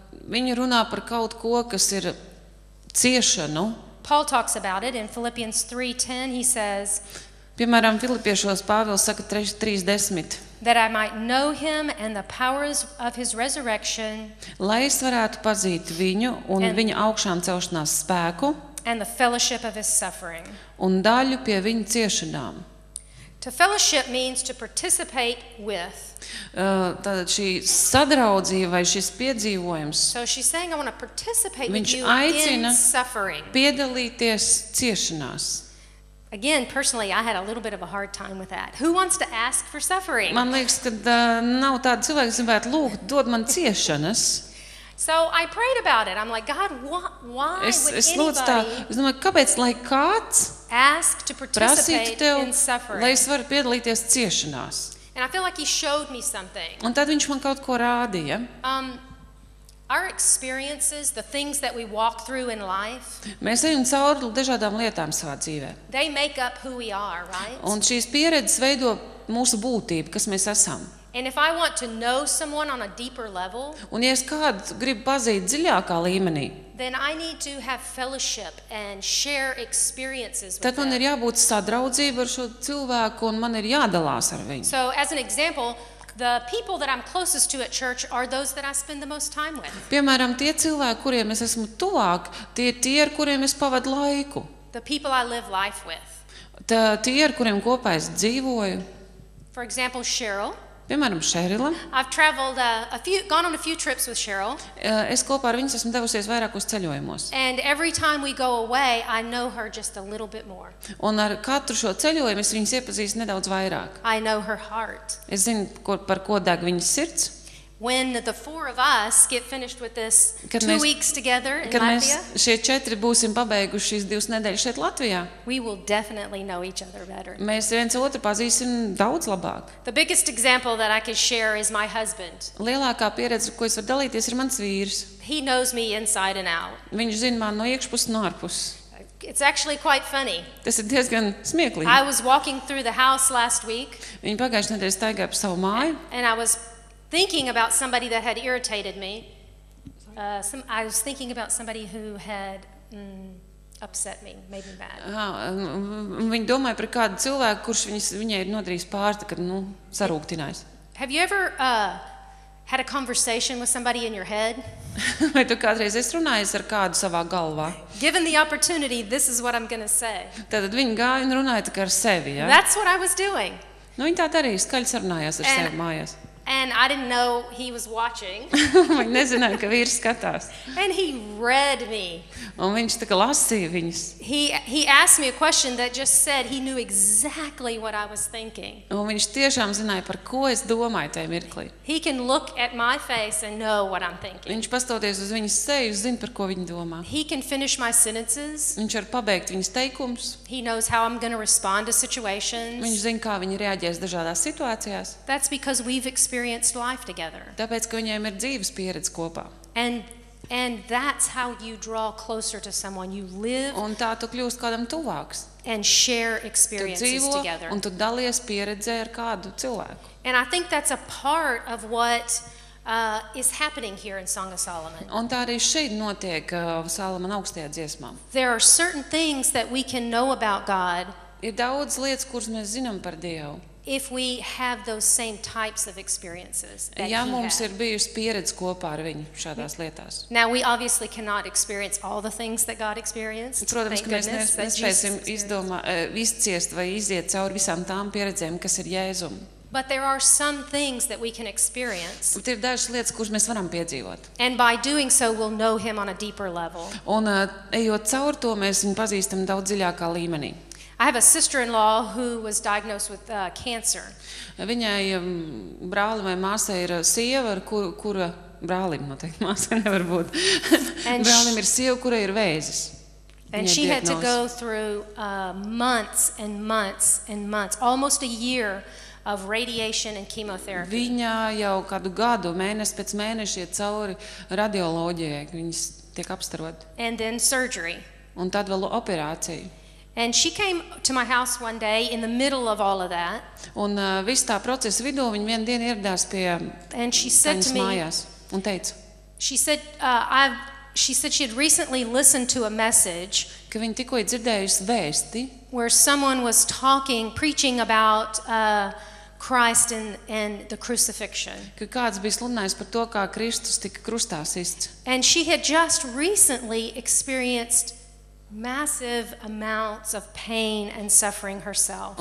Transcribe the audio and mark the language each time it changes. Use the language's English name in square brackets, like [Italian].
[Latvian] Viņa runā par kaut ko, kas ir ciešanu. [English] Paul talks about it in Philippians 3:10, he says, [Latvian] Piemēram, Filipiešos Pāvils saka 3:10, [English] that I might know him and the powers of his resurrection, [Latvian] lai es varētu pazīt viņu un viņa augšām celšanās spēku, [English] and the fellowship of his suffering, [Latvian] un daļu pie viņa ciešanām. [English] To fellowship means to participate with. [Latvian] Tātad šī sadraudzība vai šis piedzīvojums. [English] So she's saying I want to participate with you in suffering. [Latvian] Piedalīties ciešanās. [English] Again, personally, I had a little bit of a hard time with that. Who wants to ask for suffering? [Latvian] Man liekas, ka nav tāda cilvēka, kas gribētu lūgt, dod man ciešanas. [English] So I prayed about it. I'm like, God, why would anybody? [Latvian] Es domāju, kāpēc lai kāds [English] ask to participate [Latvian] tev, [English] in suffering. [Latvian] Lai es varu piedalīties ciešanās. [English] And I feel like he showed me something. [Latvian] Un tad viņš man kaut ko rādīja. [English] Our experiences, the things that we walk through in life. [Latvian] Mēs ejam cauri dažādām lietām savā dzīvē. [English] They make up who we are, right? [Latvian] Un šīs pieredzes veido mūsu būtību, kas mēs esam. [English] And if I want to know someone on a deeper level, [Latvian] un ja es kādu gribu pazīt dziļākā līmenī, [English] then I need to have fellowship and share experiences with them. [Latvian] Tad man ir jābūt sadraudzība ar šo cilvēku un man ir jādalās ar viņu. [English] So as an example, the people that I'm closest to at church are those that I spend the most time with. [Latvian] Piemēram, tie cilvēki, kuriem es esmu tuvāk, tie ir tie, ar kuriem es pavadu laiku. [English] The people I live life with. [Latvian] Tie, ar kuriem kopā es dzīvoju. [English] For example, Cheryl. [Latvian] Piemēram, Cheryl. [English] I've traveled gone on a few trips with Cheryl. [Latvian] Es kopā ar viņu esmu devusies vairākos ceļojumos. [English] And every time we go away, I know her just a little bit more. [Latvian] Un ar katru šo ceļojumu es viņu iepazīstu nedaudz vairāk. [English] I know her heart. [Latvian] Es zinu, par ko deg viņas sirds. [English] When the four of us get finished with this 2 weeks together in Latvia, [Latvian] mēs šie četri būsim pabeiguši šīs divas nedēļas šeit Latvijā, [English] we will definitely know each other better. [Latvian] Mēs viens otru pazīsim daudz labāk. [English] The biggest example that I can share is my husband. [Latvian] Lielākā pieredze, ko es varu dalīties, ir mans vīrs. [English] He knows me inside and out. [Latvian] Viņš zina mani no iekšpuses un ārpuses. [English] It's actually quite funny. [Latvian] Tas ir diezgan smieklīgi. [English] I was walking through the house last week. [Latvian] Viņa pagājušajā nedēļā staigāja pa savu māju. [English] And I was thinking about somebody that had irritated me. I was thinking about somebody who had upset me, made me mad. [Latvian] Viņa domāja par kādu cilvēku, kurš viņai ir nodarījis pārta, kad, nu, sarūktinājis. [English] Have you ever had a conversation with somebody in your head? [Latvian] Vai tu kādreiz esi runājis ar kādu savā galvā? [English] Given the opportunity, this is what I'm going to say. [Latvian] Tad viņa gāja un runāja tikai ar sevi, ja? [English] That's what I was doing. [Latvian] Nu, viņa tā darīja, skaļi sarunājās ar sevi mājās. [English] And I didn't know he was watching. [Latvian] Man nezināju, ka vīrs skatās. [English] And he read me. [Latvian] Un viņš tā kā lasīja viņus. [English] He asked me a question that just said he knew exactly what I was thinking. [Latvian] Un viņš tiešām zināja, par ko es domāju tajā mirklī. [English] He can look at my face and know what I'm thinking. [Latvian] Viņš pastoties uz viņas seju, zina, par ko viņa domā. [English] He can finish my sentences. [Latvian] Viņš var pabeigt viņas teikumus. [English] He knows how I'm going to respond to situations. [Latvian] Viņš zina, kā viņa reaģēs dažādās situācijās. [English] That's because we've experienced life together. [Latvian] Tāpēc, ka viņiem ir dzīves pieredze kopā. [English] And that's how you draw closer to someone. You live. [Latvian] Un tā tu kļūst kādam tuvāks. [English] And share experiences together. [Latvian] Un tu dalies pieredzē ar kādu cilvēku. [English] And I think that's a part of what is happening here in Song of Solomon. [Latvian] Un tā arī šeit notiek Salomona augstajā dziesmā. [English] There are certain things that we can know about God. [Latvian] Ir daudz lietas, kuras mēs zinām par Dievu. [English] If we have those same types of experiences that [Latvian] ja mums ir bijusi pieredze kopā ar viņu šādās lietās. [English] Now we obviously cannot experience all the things that God experienced. [Latvian] Protams, ka mēs nespēsim izciest vai iziet cauri visām tām pieredzēm, kas ir Jēzum. [English] But there are some things that we can experience. [Latvian] Bet ir dažas lietas, kuras mēs varam piedzīvot. [English] And by doing so we'll know him on a deeper level. [Latvian] Un ejot cauri to, mēs viņu pazīstam daudz dziļākā līmenī. [English] I have a sister-in-law who was diagnosed with cancer. [Latvian] Viņai brāli vai māsai ir sieva, kura brālim, noteikti māsai nevar būt. Brālim ir sieva, kurai ir vēzis. [English] And she had to go through months and months and months, almost a year of radiation and chemotherapy. [Latvian] Viņa jau kādu gadu, mēnesi pēc mēneša iet cauri radioloģijai, viņas tiek apstarot. [English] And then surgery. [Latvian] Un tad vēl operāciju. [English] And she came to my house one day in the middle of all of that. [Latvian] Un visu tā procesa vidū viņa vienu dienu ieradās pie viņas mājās un teica. [English] She said she had recently listened to a message. [Latvian] Ka viņa tikko dzirdējusi vēsti. [English] Where someone was talking, preaching about Christ and the crucifixion. [Latvian] Ka kāds bija sludinājis par to, kā Kristus tika krustā sists. [English] And she had just recently experienced massive amounts of pain and suffering herself.